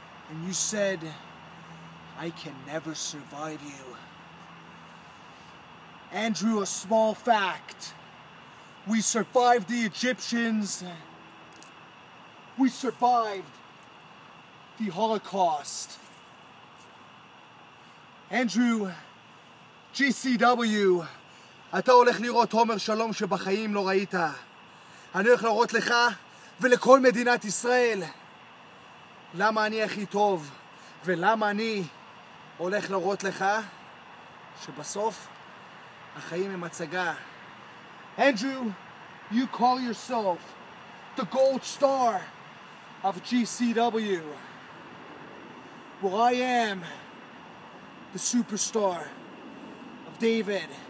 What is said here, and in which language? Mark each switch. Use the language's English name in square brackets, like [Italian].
[English] And you said, I can never survive you. Andrew, a small fact. We survived the Egyptians. We survived the Holocaust. [Hebrew] Andrew, GCW, אתה הולך לראות תומר שלום שבחיים לא ראית. אני הולך לראות לך ולכל מדינת ישראל למה אני הכי טוב, ולמה אני הולך לראות לך שבסוף החיים הם הצגה. [English] Andrew, you call yourself the gold star of GCW. Well, I am the superstar of David.